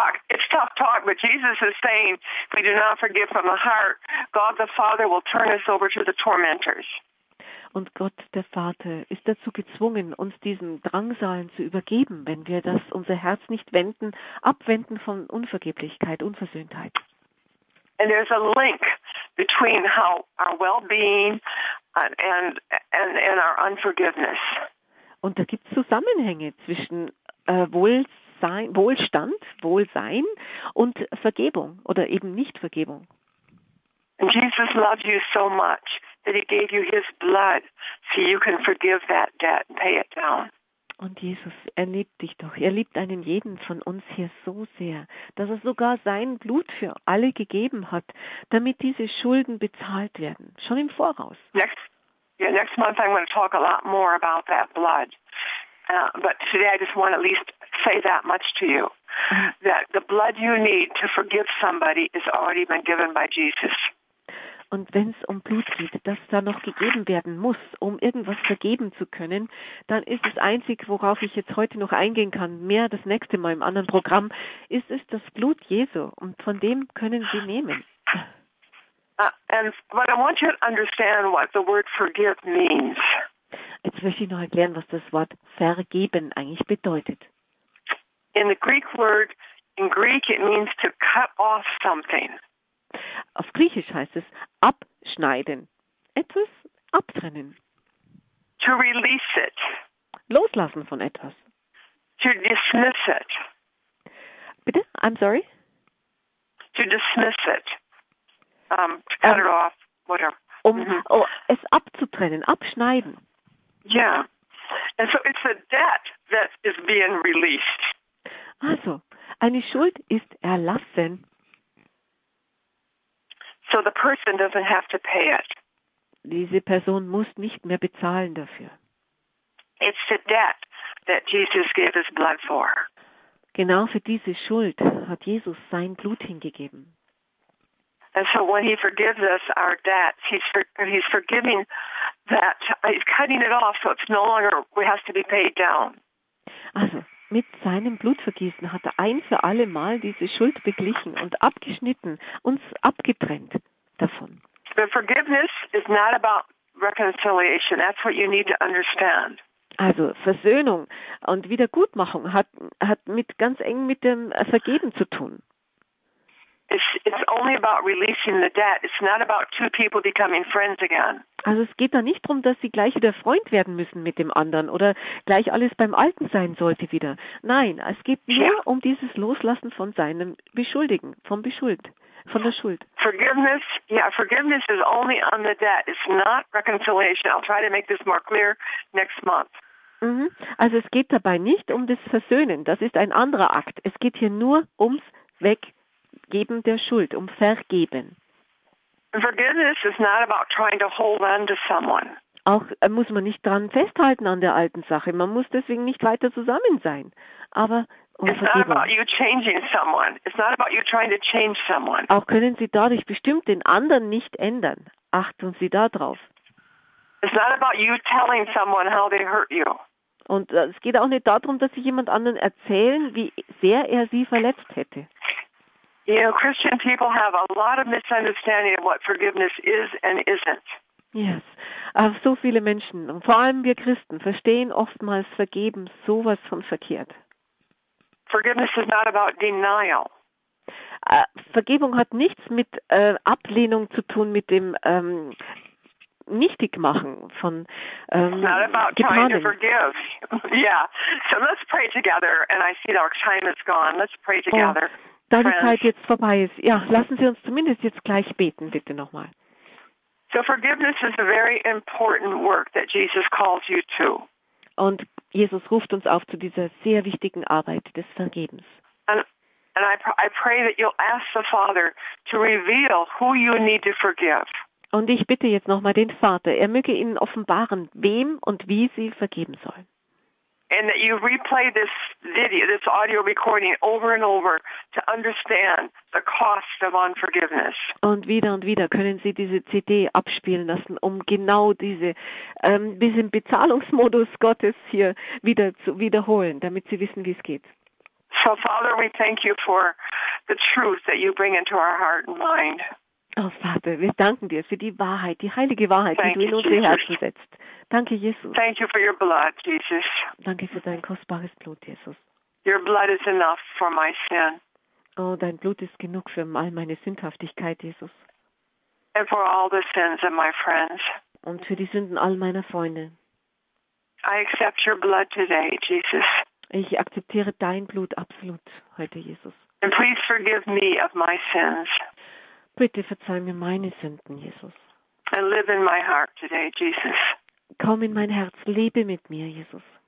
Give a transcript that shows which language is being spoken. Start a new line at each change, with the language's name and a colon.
English: It's tough talk, but Jesus is saying, if we do not forgive from the heart, God the Father will turn us over to the tormentors.
German: Und Gott, der Vater, ist dazu gezwungen, uns diesen Drangsalen zu übergeben, wenn wir das unser Herz nicht wenden, abwenden von Unvergeblichkeit, Unversöhntheit.
English: And there's a link between how our well-being and our unforgiveness.
German: Und da gibt es Zusammenhänge zwischen Wohlstand, Wohlsein und Vergebung oder eben Nichtvergebung.
English: And Jesus loves you so much that he gave you his blood so you can forgive that debt and pay it down.
German: Und Jesus, er liebt dich doch. Er liebt einen jeden von uns hier so sehr, dass er sogar sein Blut für alle gegeben hat, damit diese Schulden bezahlt werden, schon im Voraus.
English: Next month I'm going to talk a lot more about that blood. But today I just want to at least say that much to you, that the blood you need to forgive somebody has already been given by Jesus.
German: Und wenn es um Blut geht, das da noch gegeben werden muss, um irgendwas vergeben zu können, dann ist das Einzige, worauf ich jetzt heute noch eingehen kann, mehr das nächste Mal im anderen Programm, ist es das Blut Jesu. Und von dem können Sie nehmen.
English: But I want you to understand what the word forgive means.
German: Jetzt möchte ich noch erklären, was das Wort vergeben eigentlich bedeutet.
English: In the Greek word, in Greek it means to cut off something.
German: Auf Griechisch heißt es abschneiden, etwas abtrennen.
English: To release it.
German: Loslassen von etwas.
English: To dismiss it.
German: Bitte?
English: I'm sorry? To dismiss it. To cut it off, whatever.
German: Es abzutrennen, abschneiden.
English: Yeah. And so it's a debt that is being released.
German: Also, eine Schuld ist erlassen.
English: So the person doesn't have to pay it.
German: Diese Person muss nicht mehr bezahlen dafür.
English: It's the debt that Jesus gave his blood for.
German: Genau für diese Schuld hat Jesus sein Blut hingegeben.
English: And so when he forgives us our debts, he's forgiving that, he's cutting it off so it's no longer, it has to be paid down.
German: Also, mit seinem Blutvergießen hat er ein für alle Mal diese Schuld beglichen und abgeschnitten, uns abgetrennt davon.
English: The forgiveness is not about reconciliation. That's what you need to understand.
German: Also Versöhnung und Wiedergutmachung hat mit ganz eng mit dem Vergeben zu tun.
English: It's only about releasing the debt. It's not about two people becoming friends again.
German: Also es geht da nicht darum, dass sie gleich wieder Freund werden müssen mit dem anderen oder gleich alles beim Alten sein sollte wieder. Nein, es geht nur um dieses Loslassen von seinem Beschuldigen, von der Schuld.
English: Forgiveness is only on the debt. It's not reconciliation. I'll try to make this more clear next month.
German: Also es geht dabei nicht um das Versöhnen. Das ist ein anderer Akt. Es geht hier nur ums Weggeben der Schuld, um Vergeben.
English: Forgiveness is not about trying to hold on to someone.
German: Auch muss man nicht dran festhalten an der alten Sache. Man muss deswegen nicht weiter zusammen sein. Aber
English: it's not about you changing someone. It's not about you trying to change someone.
German: Auch können Sie dadurch bestimmt den anderen nicht ändern. Achten Sie darauf.
English: It's not about you telling someone how they hurt you.
German: Und es geht auch nicht darum, dass Sie jemand anderen erzählen, wie sehr er Sie verletzt hätte.
English: You know, Christian people have a lot of misunderstanding of what forgiveness is and isn't. Yes.
German: So viele Menschen, und vor allem wir Christen, verstehen oftmals Vergeben sowas von verkehrt.
English: Forgiveness is not about denial.
German: Vergebung hat nichts mit Ablehnung zu tun, mit dem Nichtigmachen von
English: It's not about
German: getanen.
English: Trying to forgive. Yeah. So let's pray together. And I see our time is gone. Let's pray together. Oh.
German: Da die Zeit jetzt vorbei ist. Ja, lassen Sie uns zumindest jetzt gleich beten, bitte nochmal.
English: So forgiveness is a very important work that Jesus calls you to.
German: Und Jesus ruft uns auf zu dieser sehr wichtigen Arbeit des Vergebens.
English: And I pray that you'll ask the Father to reveal who you need to forgive.
German: Und ich bitte jetzt nochmal den Vater, er möge Ihnen offenbaren, wem und wie Sie vergeben sollen.
English: and that you replay this video, this audio recording over and over to understand the cost of unforgiveness.
German: Und wieder können Sie diese CD abspielen lassen, um genau diese diesen Bezahlungsmodus Gottes hier wieder zu wiederholen, damit Sie wissen, wie es geht.
English: So, Father, we thank you for the truth that you bring into our heart and mind.
German: Oh, Vater, wir danken dir für die Wahrheit, die heilige Wahrheit,
English: thank
German: die du in unsere Herzen setzt. Danke, Jesus.
English: Thank you for your blood, Jesus.
German: Danke für dein kostbares Blut, Jesus.
English: Your blood is enough for my sin.
German: Oh, dein Blut ist genug für all meine Sündhaftigkeit, Jesus.
English: And for all the sins of my friends.
German: Und für die Sünden all meiner Freunde.
English: I accept your blood today, Jesus.
German: Ich akzeptiere dein Blut absolut heute, Jesus.
English: And please forgive me of my sins.
German: Bitte verzeih mir meine Sünden, Jesus.
English: And live in my heart today, Jesus.
German: Komm in mein Herz, lebe mit mir, Jesus.